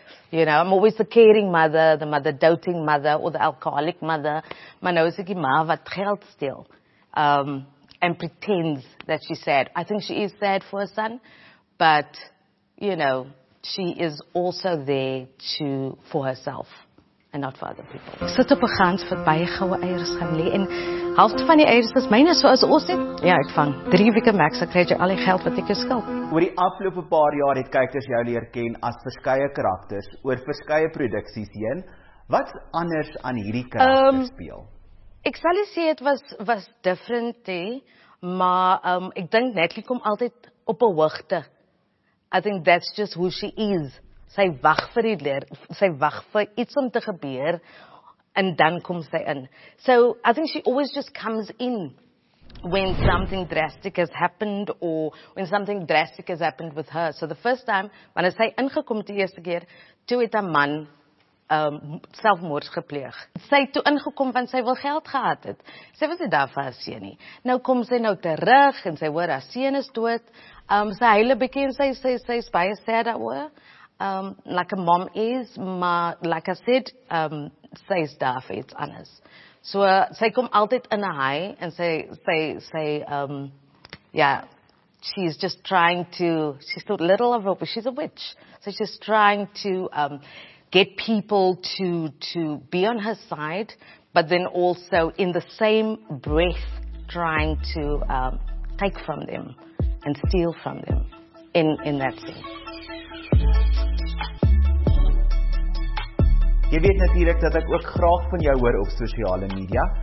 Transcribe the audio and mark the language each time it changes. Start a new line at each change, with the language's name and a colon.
English: You know, I'm always the caring mother, the mother doting mother, or the alcoholic mother,
Afrikaans: maar nou is ek die ma wat geld steel,
English: and pretends that she's sad. I think she is sad for her son, but, you know, she is also there to for herself and not for other people.
Afrikaans: Sit op 'n gans wat baie goue eiers gaan lê en helfte van die eiers is myne soos ons het. Ja, ek vang 3 weke max, ek kry jy al die geld wat ek jou skuld. Oor die afgelope paar jaar het kykers jou leer ken as verskeie karakters oor verskeie produksies heen. Wat anders aan hierdie karakter speel? Ek sal sê dit was different, hè, maar ek dink Natalie kom altyd op 'n hoogte.
English: I think that's just who she is.
Afrikaans: Sy wag vir iets om te gebeur, and dan kom sy in.
English: So, I think she always just comes in when something drastic has happened, or when something drastic has happened with her. So the first time,
Afrikaans: wanneer sy ingekom die eerste keer, toe het 'n man selfmoord gepleeg. Sy het toe ingekom, want sy wil geld gehad het. Sy was nie daar vir haar seun nie. Nou kom sy nou terug, en sy hoor haar seun is dood, sy huil 'n bietjie en sy is baie sad daaroor,
English: like a mom is,
Afrikaans: maar
English: like I said,
Afrikaans: sy is daar vir iets anders. So sy kom altyd in 'n high en
English: she's a witch. So she's trying to get people to be on her side, but then also in the same breath trying to take from them and steal from them in that scene.
Afrikaans: Jy weet natuurlik dat ek ook graag van jou hoor op sosiale media.